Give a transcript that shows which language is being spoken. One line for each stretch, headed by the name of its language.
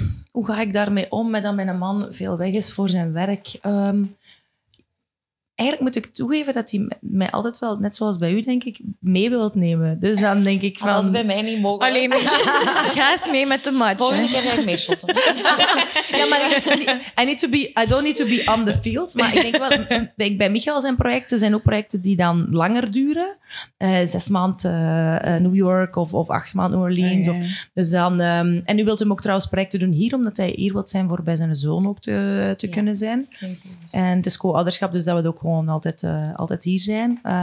Dutch: Hoe ga ik daarmee om met dat mijn man veel weg is voor zijn werk? Eigenlijk moet ik toegeven dat hij mij altijd wel, net zoals bij u denk ik, mee wilt nemen. Dus dan denk ik van... Dat is bij mij niet mogelijk. Alleen, ga eens mee met de match. Volgende keer ga ik mee shotten.
English: Ja, maar I don't need to be on the field.
Dutch: Maar ik denk wel, bij Michael zijn projecten zijn ook projecten die dan langer duren. 6 maanden New York of 8 maanden New Orleans. Oh, yeah. En nu wilt hem ook trouwens projecten doen hier, omdat hij hier wilt zijn voor bij zijn zoon ook te kunnen zijn. En het is co-ouderschap, dus dat we ook gewoon altijd hier zijn.